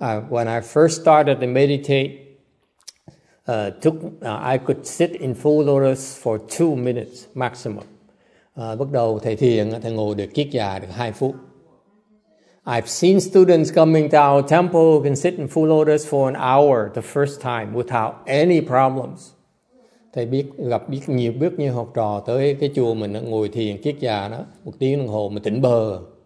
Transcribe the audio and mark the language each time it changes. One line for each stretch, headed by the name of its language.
English: When I first started to meditate, I could sit in full lotus for 2 minutes maximum.
Vietnamese: Bắt đầu thầy thiền, thầy ngồi được kiết già được 2 phút.
English: I've seen students coming to our temple who can sit in full lotus for an hour the first time without any problems.
Vietnamese: Thầy biết như học trò tới cái chùa mình ngồi thiền kiết già đó, 1 tiếng đồng hồ mà tỉnh bơ.